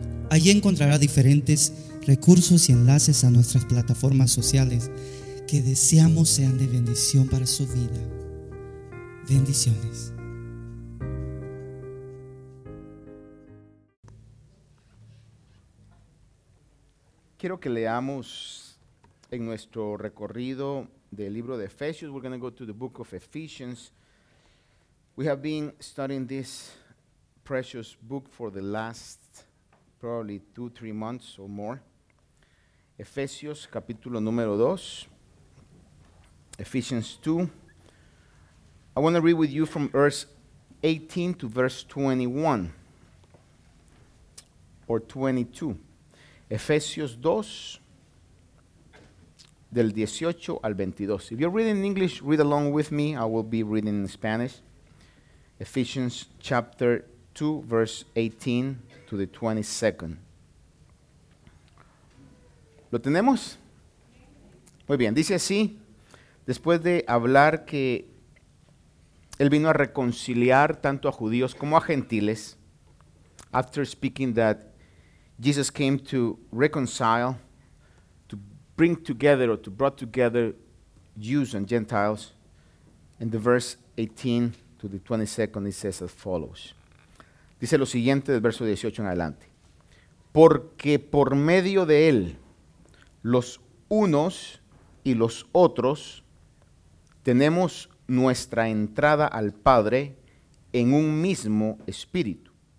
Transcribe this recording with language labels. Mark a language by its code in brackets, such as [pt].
[es] Allí encontrará diferentes recursos y enlaces a nuestras plataformas sociales que deseamos sean de bendición para su vida. Bendiciones. Quiero que leamos en nuestro recorrido del libro de Efesios. [en] We're going to go to the book of Ephesians. We have been studying this precious book for the last probably 2-3 months or more. [es] Efesios capítulo número 2. [en] Ephesians 2. I want to read with you from verse 18 to verse 21 or 22. [es] Efesios 2, del 18 al 22. [en] If you're reading in English, read along with me. I will be reading in Spanish. Ephesians chapter 2, verse 18 to the 22nd. [es] ¿Lo tenemos? Muy bien, dice así, después de hablar que él vino a reconciliar tanto a judíos como a gentiles, after speaking that Jesus came to reconcile, to bring together or to brought together Jews and Gentiles. [en] In the verse 18 to the 22nd, it says as follows. [es] Dice lo siguiente del verso 18 en adelante. Porque por medio de él, los unos y los otros, tenemos nuestra entrada al Padre en un mismo espíritu.